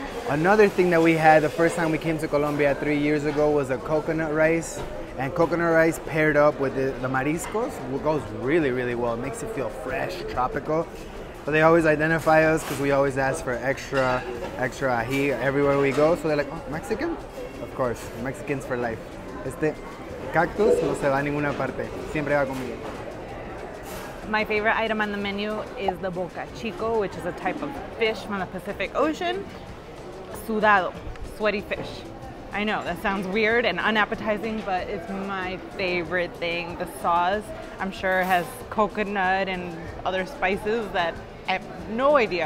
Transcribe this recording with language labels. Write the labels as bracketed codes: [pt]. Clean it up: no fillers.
[en] Another thing that we had the first time we came to Colombia 3 years ago was a coconut rice. And coconut rice paired up with the mariscos goes really, really well. It makes it feel fresh, tropical. But they always identify us because we always ask for extra ají everywhere we go. So they're like, oh, Mexican? Of course, Mexicans for life. [es] Este cactus no se va a ninguna parte. Siempre va conmigo. [en] My favorite item on the menu is the bocachico, which is a type of fish from the Pacific Ocean. Sudado, sweaty fish. I know, that sounds weird and unappetizing, but it's my favorite thing. The sauce, I'm sure, has coconut and other spices that I have no idea.